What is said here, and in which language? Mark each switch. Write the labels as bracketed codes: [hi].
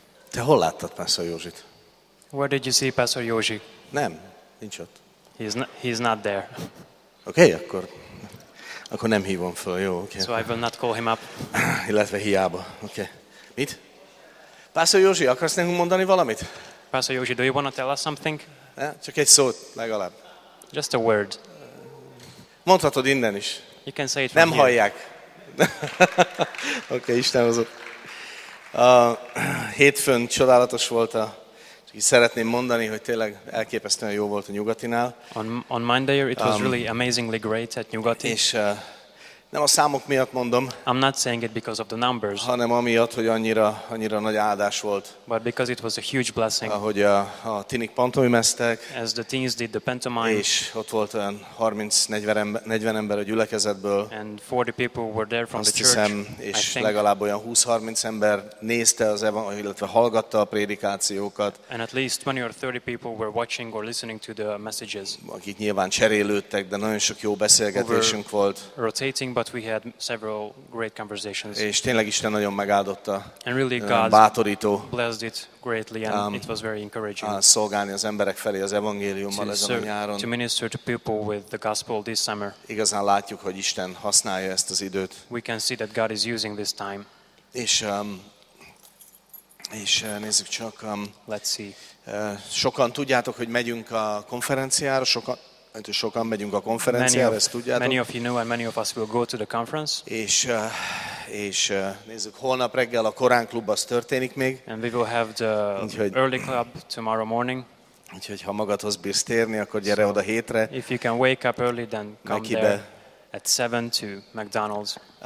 [hu] Te hol láttad Pásztor Józsit? [en] Where did you see Pastor Józsi? [hu] Nem, nincs ott. [en] He's not there. [hu] Okay, akkor nem hívom föl, jó, okay. [en] So I will not call him up. [hu] Illetve hiába, okay. Mit? Pásztor Józsi, akarsz nekünk mondani valamit? [en] Pastor Józsi, do you want to tell us something? [hu] Csak egy szót, legalább. [en] Just a word. [hu] Mondhatod innen is. [en] You can say it from [hu] nem [en] here. [hu] Hallják. Oké, okay, Isten hozott. Hétfőn csodálatos volt a... Csak így szeretném mondani, hogy tényleg elképesztően jó volt a Nyugatinál. [en] On Monday, it was really amazingly great at Nyugati. [hu] És nem a számok miatt mondom. [en] I'm not saying it because of the numbers. [hu] Hanem amiatt, hogy annyira nagy áldás volt. [en] But because it was a huge blessing. [hu] Ahogy a tinik pantomimeztek. [en] As the teens did the pantomime. [hu] És ott volt olyan 30-40 ember a gyülekezetből. [en] And 40 people were there from [hu] azt [en] the church. [hu] Hiszem, és legalább olyan 20-30 ember nézte az evangéliumot, illetve hallgatta a prédikációkat. [en] And at least 20 or 30 people were watching or listening to the messages. [hu] Akik nyilván cserélődtek, de nagyon sok jó beszélgetésünk volt. [en] But we had several great conversations. [hu] És tényleg Isten nagyon megáldotta. [en] And really [hu] bátorító. [en] Blessed it greatly and it was very encouraging. [hu] Szolgálni az emberek felé az evangéliummal ezen a nyáron. [en] To minister to people with the gospel this summer. [hu] Igazán látjuk, hogy Isten használja ezt az időt. [en] We can see that God is using this time. [hu] És nézzük csak. [en] Let's see. [hu] Sokan tudjátok, hogy megyünk a konferenciára, sokan megyünk a konferenciára, ezt tudjátok. [en] Many of you know and many of us will go to the conference. [hu] És nézzük, holnap reggel a Korán klub az történik még. [en] And we will have the úgyhogy, early club tomorrow morning. [hu] Úgyhogy ha magadhoz bírsz térni, akkor gyere oda hétre. [en] If you can wake up early, then come there at 7 to McDonald's.